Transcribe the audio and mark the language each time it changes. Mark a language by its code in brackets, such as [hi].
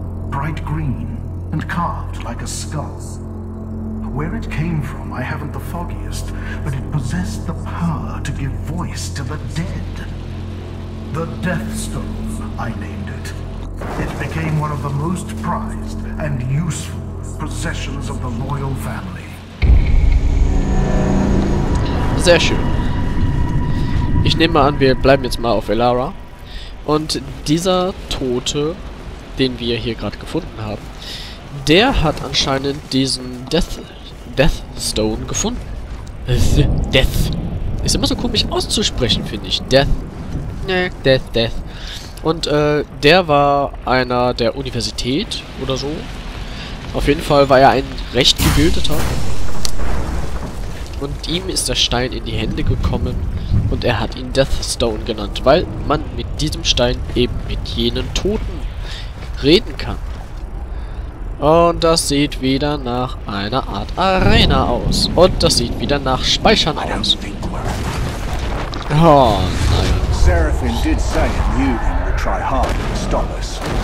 [en] Bright green and carved like a skull. Where it came from, I haven't the foggiest, but it possessed the power to give voice to the dead. The Death Stone, I named it. It became one of the most prized and useful possessions of the loyal family. [de] Sehr schön. Ich nehme mal an, wir bleiben jetzt mal auf Elara. Und dieser Tote, den wir hier gerade gefunden haben, der hat anscheinend diesen Death Stone gefunden. Death. Ist immer so komisch auszusprechen, finde ich. Death. Nee, Death, Death. Und der war einer der Universität oder so. Auf jeden Fall war er ein recht gebildeter. Und ihm ist der Stein in die Hände gekommen. Und er hat ihn Death Stone genannt, weil man mit diesem Stein eben mit jenen Toten reden kann. Und das sieht wieder nach einer Art Arena aus. Und das sieht wieder nach Speichern aus. Oh nein. [en] Seraphine did say it knew him to try hard to stop us.